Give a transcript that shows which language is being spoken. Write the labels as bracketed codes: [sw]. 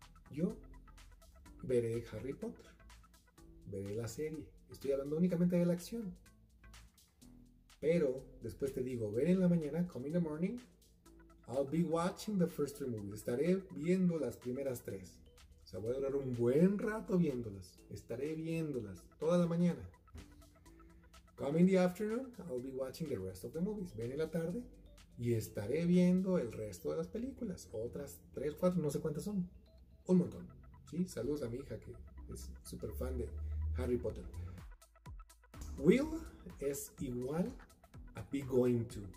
[es] Yo veré Harry Potter. Veré la serie. Estoy hablando únicamente de la acción. Pero después te digo, ver en la mañana, [en] come in the morning, I'll be watching the first three movies. [es] Estaré viendo las primeras tres. O sea, voy a durar un buen rato viéndolas. Estaré viéndolas toda la mañana. [en] Come in the afternoon, I'll be watching the rest of the movies. [es] Ven en la tarde y estaré viendo el resto de las películas. Otras tres, cuatro, no sé cuántas son. Un montón. ¿Sí? Saludos a mi hija que es súper fan de Harry Potter. Will es igual a be going to.